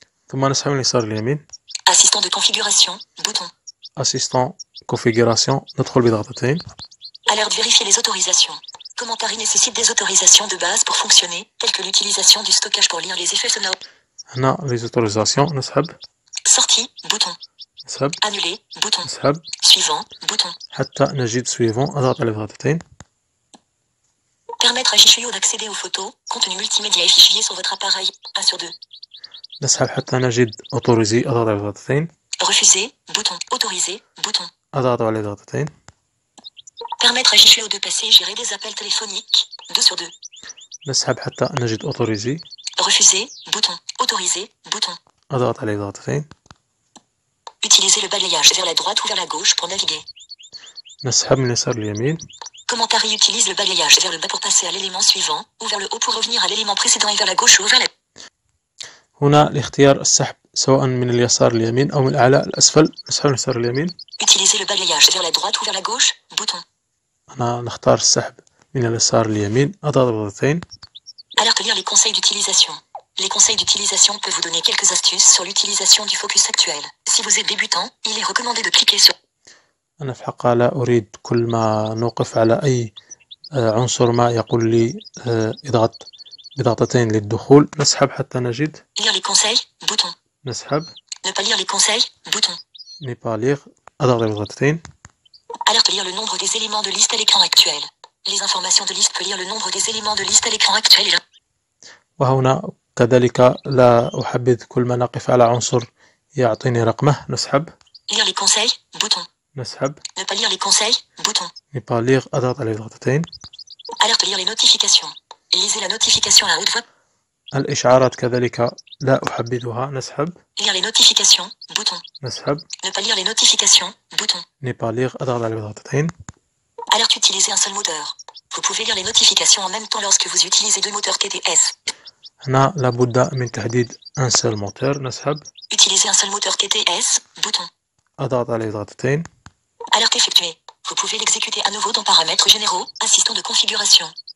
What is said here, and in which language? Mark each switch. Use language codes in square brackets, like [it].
[ar] ثم نسحب من اليسار اليمين. [fr] Assistant de configuration, bouton. Assistant configuration, [ar] ندخل بضغطتين. [fr] Alerte vérifier les autorisations. Commentary nécessite des autorisations de base pour fonctionner, telles que l'utilisation du stockage pour lire les effets sonores. [ar] هنا [fr] les autorisations, [ar] نسحب. [fr] Sortie, bouton. [ar] نسحب. [fr] Annuler, bouton. [ar] نسحب. [fr] Suivant, bouton. [ar] حتى نجد suivant, اضغط على بضغطتين. [fr] Permettre à Jijuo d'accéder aux photos, contenu multimédia et fichiers sur votre appareil, 1 sur 2. [ar] نسحب حتى نجد أوتوريزي، أضغط على ضغطتين. [fr] Refuser, bouton. Autoriser, bouton. [ar] أضغط على ضغطتين. [fr] Permettre à Jijuo de passer et gérer des appels téléphoniques, 2 sur 2. [ar] نسحب حتى نجد أوتوريزي. [fr] Refuser, bouton. Autoriser, bouton. [ar] أضغط على ضغطتين. [fr] Utiliser le balayage vers la droite ou vers la gauche pour naviguer. [ar] نسحب من اليسار لليمين. [fr] Commentary utilise le balayage vers le bas pour passer à l'élément suivant ou vers le haut pour revenir à l'élément précédent et vers la gauche ou vers la... [ar] هنا لاختيار السحب سواء من اليسار اليمين أو من الأعلى الأسفل. نسحب من اليسار اليمين. [fr] Utiliser le balayage vers la droite ou vers la gauche. Bouton. [ar] أنا نختار السحب من اليسار اليمين. أضغط ضغطتين. [fr] Alerte lire les conseils d'utilisation. Les conseils d'utilisation peuvent vous donner quelques astuces sur l'utilisation du focus actuel. Si vous êtes débutant, il est recommandé de cliquer sur. [ar] أنا في الحقيقة لا أريد كل ما نوقف على أي عنصر ما يقول لي اضغط بضغطتين للدخول. نسحب حتى نجد. [fr] Lire les conseils. Bouton. [ar] نسحب. [fr] Ne pas lire les conseils. Bouton. Ne pas lire. [ar] أضغط بضغطتين. [fr] Alerte lire le nombre des éléments de liste à l'écran actuel. Les informations de liste peut lire le nombre des éléments de liste à l'écran actuel. [ar] وهنا كذلك لا أحبذ كل ما نقف على عنصر يعطيني رقمه. نسحب. [fr] Lire les conseils. Bouton. [ar] نسحب. [fr] Ne pas lire les conseils. Bouton. Ne pas lire. [ar] أضغط بضغطتين. [fr] Alerte lire les notifications. Lisez la notification à haute voix. [ar] الإشعارات كذلك لا أحبذها. نسحب. [fr] Lire les notifications. Bouton. [ar] نسحب. [fr] Ne pas lire les notifications. Bouton. Ne pas lire. [ar] أضغط على بضغطتين. [fr] Alerte utiliser un seul moteur. Vous pouvez lire les notifications en même temps lorsque vous utilisez deux moteurs TTS. [ar] هنا لابد من تحديد [fr] un seul moteur. [ar] نسحب. [fr] Utiliser un seul moteur TTS. Bouton. [ar] أضغط على بضغطتين. [fr] Alerte effectuée. Vous pouvez l'exécuter à nouveau dans paramètres généraux, assistant de configuration.